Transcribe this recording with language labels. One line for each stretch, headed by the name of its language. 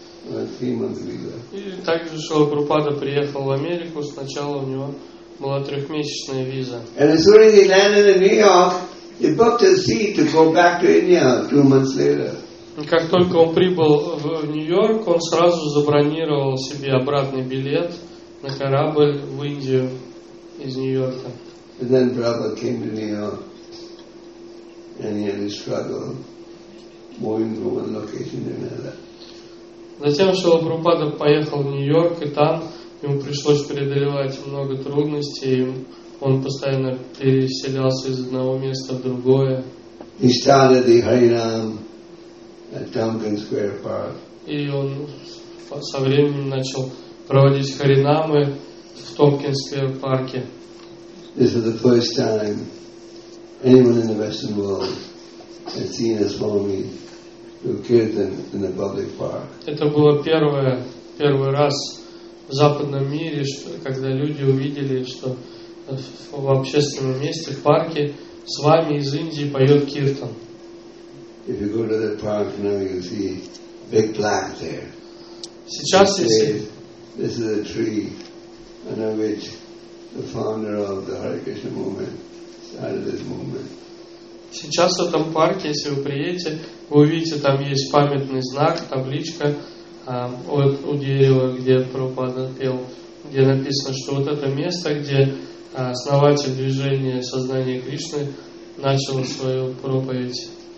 Russian: И также Шрила Прабхупада приехал в Америку, сначала у него была 3-месячная виза.
English: And as soon as he landed in New York, he booked a seat to go back to India 2 months later.
Russian: Как только он прибыл в Нью-Йорк, он сразу забронировал себе обратный билет на корабль в Индию из Нью-Йорка.
English: And then Prabhupada came to New York and he had a struggle moving from one location to another.
Russian: Затем Шрила Прабхупада поехал в Нью-Йорк, и там ему пришлось преодолевать много трудностей. Он постоянно переселялся из одного места в другое.
English: He started the Harinam at Tompkins Square Park.
Russian: И он со временем начал проводить Харинамы в Tompkins Square Park.
English: This is the first time anyone in the Western world had seen a Swami do kirtan in a public park.
Russian: Это было первый раз в западном мире, когда люди увидели, что в общественном месте, в парке, Свами из Индии поет киртан.
English: If you go to the park now, you see big plant there.
Russian: Сейчас если
English: this is a tree under which the founder of the Hare Krishna movement started this movement.
Russian: Сейчас в этом парке, если вы приедете, вы увидите, там есть памятный знак, табличка у дерева, где Прабхупада пел, где написано, что вот это место, где основатель движения сознания Кришны начал свою проповедь.